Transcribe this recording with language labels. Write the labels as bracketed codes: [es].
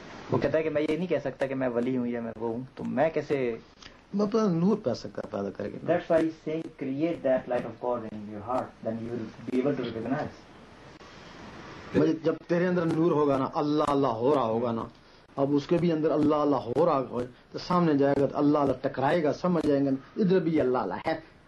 [ur] وہ کہتا ہے کہ میں یہ نہیں کہہ سکتا کہ میں ولی ہوں یا میں وہ ہوں, تو میں کیسے نور پیدا کرے گا؟ [en] That's why he's saying create that light of God in your heart, then you will be able to recognize. [ur] جب تیرے اندر نور ہوگا نا, اللہ اللہ ہو رہا ہوگا نا, اب اس کے بھی اندر اللہ اللہ ہو رہا ہو تو سامنے جائے گا, اللہ اللہ ٹکرائے گا, سمجھ جائیں گا ادھر بھی اللہ اللہ ہے.